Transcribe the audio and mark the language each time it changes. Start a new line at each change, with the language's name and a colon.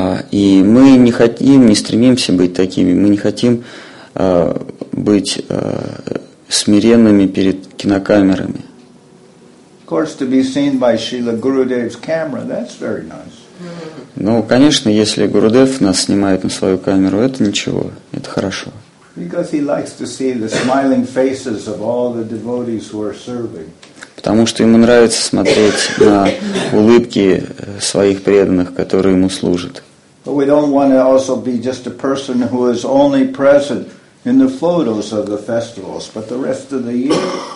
Russian: И мы не хотим, не стремимся быть такими. Мы не хотим быть смиренными перед кинокамерами.
English: Of course, to be seen by Srila Gurudev's camera, that's very nice.
Russian: Ну, конечно, если Гурудев нас снимает на свою камеру, это ничего, это хорошо.
English: Because he likes to see the smiling faces of all the devotees who are serving.
Russian: Потому что ему нравится смотреть на улыбки своих преданных, которые ему служат.
English: But we don't want to also be just a person who is only present in the photos of the festivals, but the rest of the year.